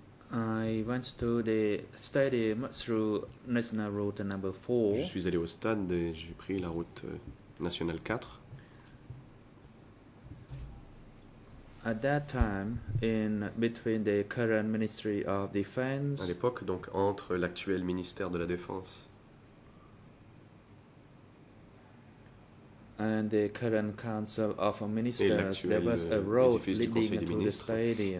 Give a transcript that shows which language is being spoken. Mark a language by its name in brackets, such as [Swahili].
[English] I went to the stadium through National Route Number 4. [French] Je suis allé au stade et j'ai pris la route nationale 4. [English] At that time, in between the current Ministry of Defense, [French] à l'époque, donc entre l'actuel ministère de la Défense [English] and the current Council of Ministers, there was a road leading to the stadium.